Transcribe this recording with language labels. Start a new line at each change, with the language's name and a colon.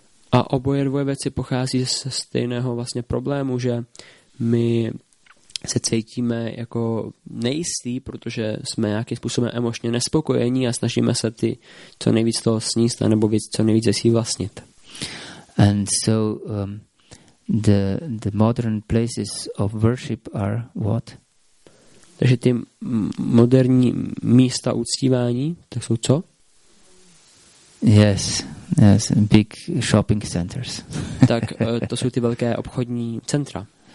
Czech: A oboje dvoje věci pochází ze stejného vlastně problému, že my se cítíme jako nejistý, protože jsme nějakým způsobem emočně nespokojení a snažíme se ty co nejvíc toho sníst nebo víc co nejvíc si vlastnit.
English: And so the modern places of worship are what?
Czech: Takže ty moderní místa uctívání, to jsou co?
English: Yes, big shopping centers.
Czech: Tak to jsou ty velké obchodní centra.